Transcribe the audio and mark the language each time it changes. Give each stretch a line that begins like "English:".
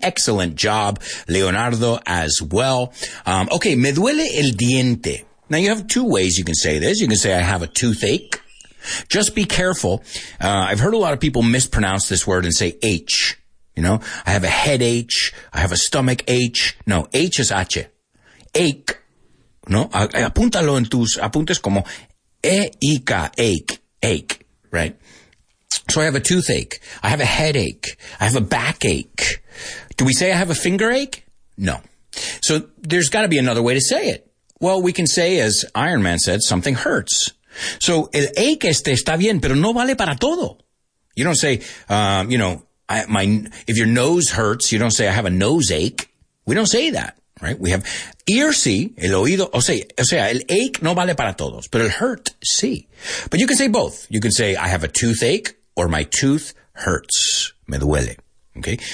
English: Excellent job, Leonardo, as well. Okay,
Spanish: me duele el diente.
English: Now, you have two ways you can say this. You can say, I have a toothache. Just be careful. I've heard a lot of people mispronounce this word and say H. You know, I have a head H, I have a stomach H. No, H is H. Ache.
Spanish: No, apúntalo en tus apuntes como E-I-K, ache, right?
English: So I have a toothache, I have a headache, I have a backache. Do we say I have a finger ache? No. So there's got to be another way to say it. Well, we can say, as Iron Man said, something hurts.
Spanish: So el ache este está bien, pero no vale para todo.
English: You don't say, if your nose hurts, you don't say, I have a nose ache. We don't say that, right? We have ear,
Spanish: sí, el oído, o sea, el ache no vale para todos,
English: but el hurt, sí. But you can say both. You can say, I have a toothache or my tooth hurts.
Spanish: Me duele.
English: Okay.